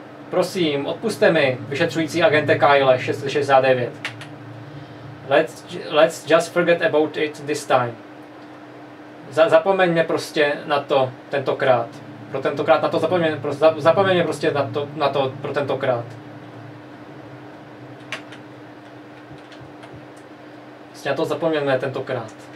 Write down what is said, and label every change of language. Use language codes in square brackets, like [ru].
[cs] Prosím, odpuste mi, vyšetřující agente Kyle 669. [en] Let's just forget about it this time. [cs] Zapomeňme prostě na to tentokrát. Pro tentokrát na to zapomeňme prostě na to pro tentokrát. Prostě na to zapomeňme tentokrát.